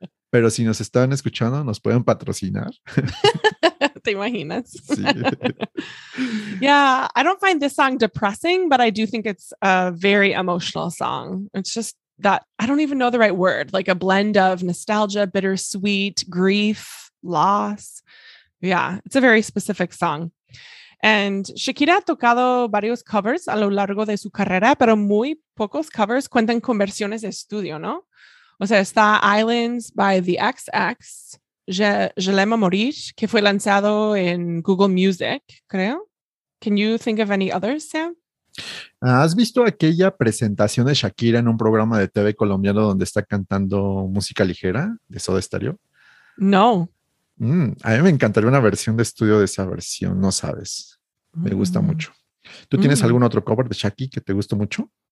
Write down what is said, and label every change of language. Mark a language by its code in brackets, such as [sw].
[es] Pero si nos están escuchando, ¿nos pueden patrocinar? ¿Te imaginas? Sí. [en] Yeah, I don't find this song depressing, but I do think it's a very emotional song. It's just that, I don't even know the right word, like a blend of nostalgia, bittersweet, grief, loss. Yeah, it's a very specific song. [es] And Shakira ha tocado varios covers a lo largo de su carrera, pero muy pocos covers cuentan con versiones de estudio, ¿no? O sea, está Islands by The XX, Je l'aime à mourir, que fue lanzado en Google Music, creo. [en] Can you think of any others, Sam? [es] ¿Has visto aquella presentación de Shakira en un programa de TV colombiano donde está cantando música ligera de Soda Stereo? No. A mí me encantaría una versión de estudio de esa versión, no sabes. Me gusta mucho. ¿Tú tienes algún otro cover de Shakira que te guste mucho?